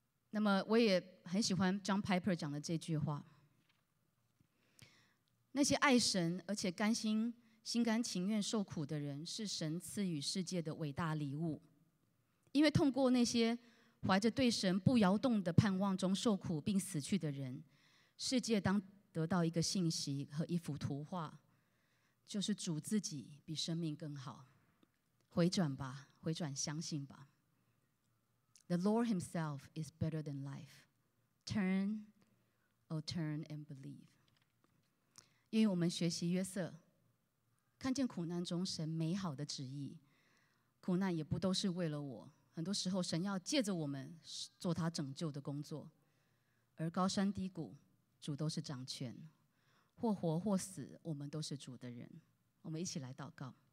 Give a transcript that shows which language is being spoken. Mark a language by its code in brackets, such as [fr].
[zh] 那么我也很喜欢 John Piper 讲的这句话，那些爱神而且甘心心甘情愿受苦的人，是神赐予世界的伟大礼物。因为通过那些怀着对神不摇动的盼望中受苦并死去的人，世界当得到一个信息和一幅图画，就是主自己比生命更好。回转吧，回转相信吧。 [en] The Lord himself is better than life. Turn, oh turn and believe. [zh] 因为我们学习约瑟，看见苦难中神美好的旨意，苦难也不都是为了我，很多时候神要借着我们做他拯救的工作。而高山低谷主都是掌权，或活或死我们都是主的人。我们一起来祷告。